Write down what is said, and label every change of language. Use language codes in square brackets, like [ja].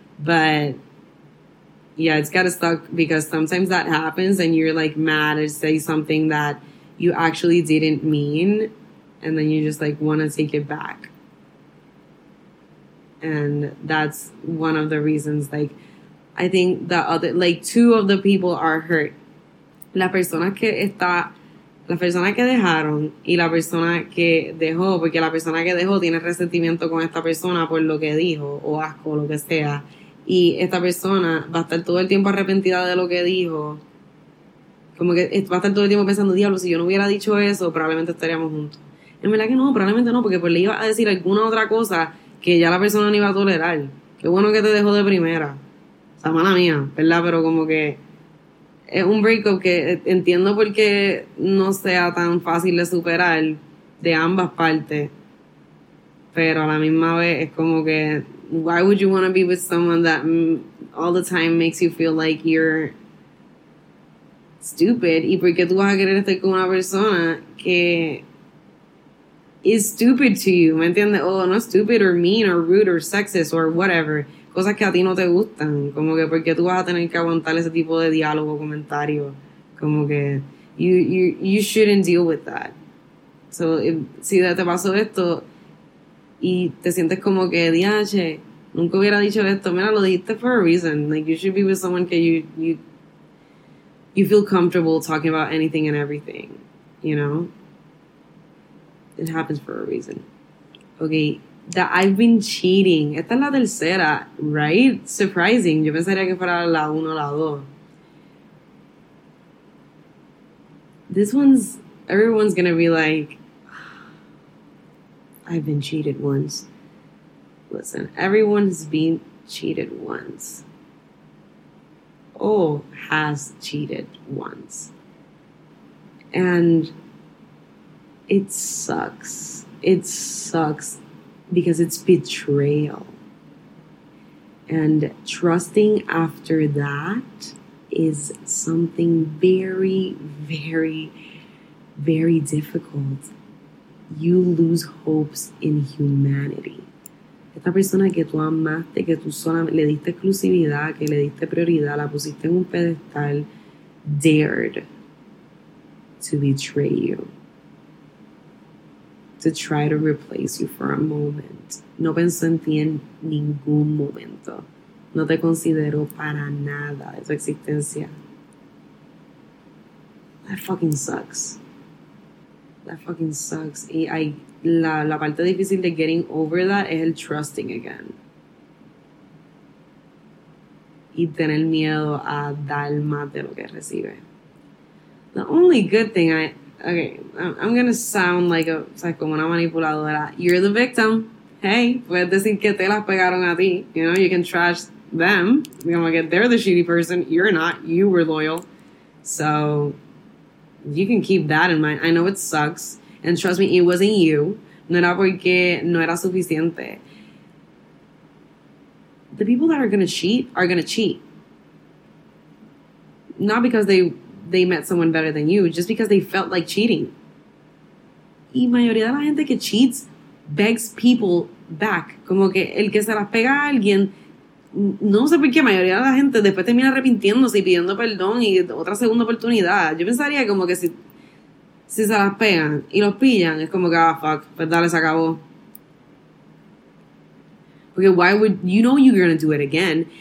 [en] But yeah, it's got to suck because sometimes that happens and you're like mad to say something that you actually didn't mean. And then you just like want to take it back. And that's one of the reasons, like, I think the other, like, two of the people are hurt. [es] La persona que dejaron y la persona que dejó, porque la persona que dejó tiene resentimiento con esta persona por lo que dijo, o asco, lo que sea. Y esta persona va a estar todo el tiempo arrepentida de lo que dijo. Como que va a estar todo el tiempo pensando, diablo, si yo no hubiera dicho eso, probablemente estaríamos juntos. En verdad que no, probablemente no, porque pues le iba a decir alguna otra cosa que ya la persona no iba a tolerar. Qué bueno que te dejó de primera. O sea, mala mía, ¿verdad? Pero como que es un breakup que entiendo por qué no sea tan fácil de superar de ambas partes. Pero a la misma vez es como que, [en] why would you want to be with someone that all the time makes you feel like you're stupid? [es] ¿Y por qué tú vas a querer estar con una persona que [en] is stupid to you? [es] ¿Me entiendes? [en] Oh, no stupid or mean or rude or sexist or whatever. [es] Cosas que a ti no te gustan, como que porque tú vas a tener que aguantar ese tipo de diálogo, comentario, como que [en] you shouldn't deal with that. [es] So, si te pasó esto y te sientes como que, diache, nunca hubiera dicho esto, mira, lo dijiste [en] for a reason. Like, you should be with someone que you feel comfortable talking about anything and everything, you know? It happens for a reason. Okay. That I've been cheating. [es] Esta es la tercera, [en] right? Surprising. [es] Yo pensaría que fuera la uno, la dos. [en] This one's, everyone's gonna be like, I've been cheated once. Listen, everyone has been cheated once. Oh, has cheated once. And it sucks. It sucks. Because it's betrayal. And trusting after that is something very, very, very difficult. You lose hopes in humanity. [es] Esta persona que tú amaste, que tú solamente le diste exclusividad, que le diste prioridad, la pusiste en un pedestal, [en] dared to betray you. To try to replace you for a moment. [es] No pensó en ti en ningún momento. No te consideró para nada de su existencia. [en] That fucking sucks. That fucking sucks. [es] Y hay, la parte difícil de [en] getting over that [es] es el [en] trusting again. [es] Y tener miedo a dar más de lo que recibe. [en] The only good thing I'm gonna sound like a, [es] o sea, como una manipuladora. [en] You're the victim. [es] Hey, puedes decir que te las pegaron a ti. [en] You know, you can trash them. [es] Como que [en] they're the shitty person. You're not. You were loyal. So, you can keep that in mind. I know it sucks. And trust me, it wasn't you. [es] No era porque no era suficiente. [en] The people that are gonna cheat are gonna cheat. Not because they met someone better than you, just because they felt like cheating. [es] Y mayoría de la gente que [en] cheats begs people back. [es] Como que el que se las pega a alguien, no sé por qué, mayoría de la gente después termina arrepintiéndose y pidiendo perdón y otra segunda oportunidad. Yo pensaría como que si se las pegan y los pillan, es como que, ah, fuck, pues dale, se acabó. [en] Porque why would, you know you're gonna do it again.